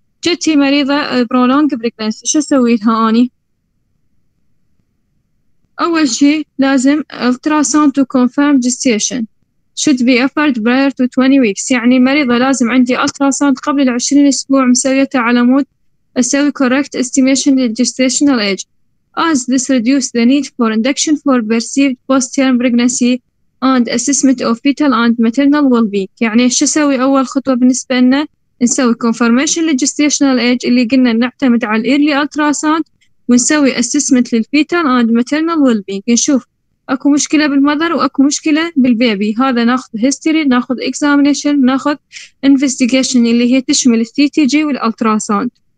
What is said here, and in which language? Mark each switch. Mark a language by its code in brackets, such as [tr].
[ar] جتي مريضة برولونج بريكنسي، شو سوي لها أني؟ أول شيء لازم [en] Ultrasound to confirm gestation should be offered prior to 20 weeks. [ar] يعني المريضة لازم عندي التراسون قبل العشرين أسبوع مسويتها على مود أسوي [en] correct estimation [ar] للجستيشنال ايج. [en] As this reduce the need for induction for perceived postterm pregnancy and assessment of fetal and maternal well-being. [ar] يعني شو سوي أول خطوة بالنسبة لنا؟ نسوي confirmation للgestational age اللي قلنا نعتمد على early ultrasound، ونسوي assessment لل [en] fetal and maternal well-being، [ar] نشوف أكو مشكلة بالمذر وأكو مشكلة بالبيبي. هذا ناخذ history، ناخذ examination، ناخذ investigation اللي هي تشمل CTG والultrasound.